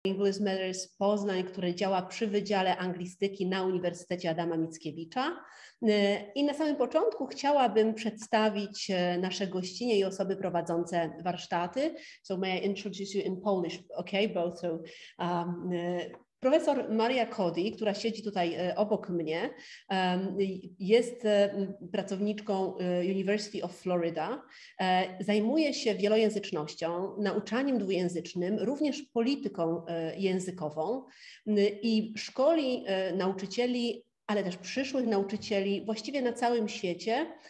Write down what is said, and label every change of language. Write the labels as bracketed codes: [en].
[pl] Bilingualism Matters Poznań, które działa przy Wydziale Anglistyki na Uniwersytecie Adama Mickiewicza. I na samym początku chciałabym przedstawić nasze gościnie i osoby prowadzące warsztaty. [en] So may I introduce you in Polish, okay, both. [pl] So, profesor Maria Coady, która siedzi tutaj obok mnie, jest pracowniczką University of Florida, zajmuje się wielojęzycznością, nauczaniem dwujęzycznym, również polityką językową i szkoli nauczycieli, ale też przyszłych nauczycieli właściwie na całym świecie